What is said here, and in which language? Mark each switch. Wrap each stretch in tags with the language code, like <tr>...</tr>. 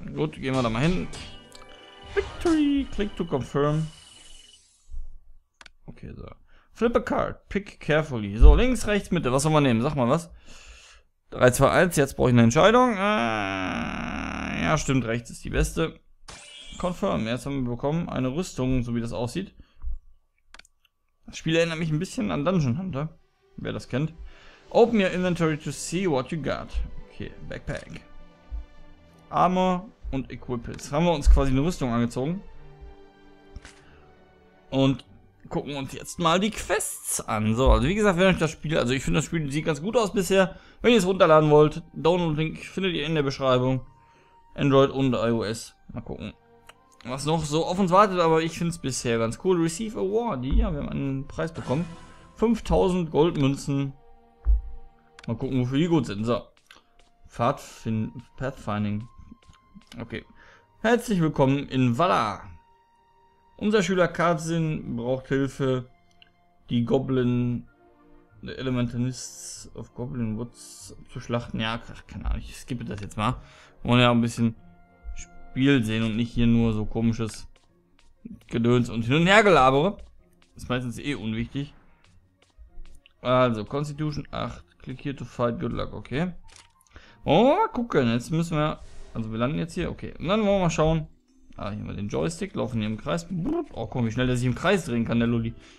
<de>Gut, gehen wir da mal hin.</de> <en>Victory! Click to confirm. Okay, so. Flip a card. Pick carefully. So,</en> <de>links, rechts, Mitte. Was soll man nehmen? Sag mal was. 3, 2, 1. Jetzt brauche ich eine Entscheidung. Ja, stimmt. Rechts ist die beste. Confirm. Jetzt haben wir bekommen eine Rüstung, so wie das aussieht. Das Spiel erinnert mich ein bisschen an Dungeon Hunter. Wer das kennt.</de> <en>Open your inventory to see what you got.</en> <de>Okay, Backpack. Armor und Equipment. Jetzt haben wir uns quasi eine Rüstung angezogen. Und gucken uns jetzt mal die Quests an. So, also wie gesagt, wenn euch das Spiel, also ich finde das Spiel sieht ganz gut aus bisher. Wenn ihr es runterladen wollt, Download-Link findet ihr in der Beschreibung. Android und iOS. Mal gucken, was noch so auf uns wartet, aber ich finde es bisher ganz cool.</de> <en>Receive Award,</en> <de>ja, wir haben einen Preis bekommen. 5000 Goldmünzen. Mal gucken, wofür die gut sind. So. Pathfinding. Okay. Herzlich willkommen in Valar. Unser Schüler Karzin braucht Hilfe, die Goblin, the Elementalists of Goblin Woods zu schlachten. Ja, keine Ahnung, ich skippe das jetzt mal. Wir wollen ja auch ein bisschen Spiel sehen und nicht hier nur so komisches Gedöns und hin und her gelabere. Ist meistens eh unwichtig.</de> <en>Also, Constitution 8, click here to fight, good luck, okay.</en> <de>Wollen wir mal gucken, jetzt müssen wir, also wir landen jetzt hier, okay. Und dann wollen wir mal schauen. Ah, hier haben wir den Joystick, laufen hier im Kreis. Oh, guck mal, wie schnell der sich im Kreis drehen kann, der Lulli.</de>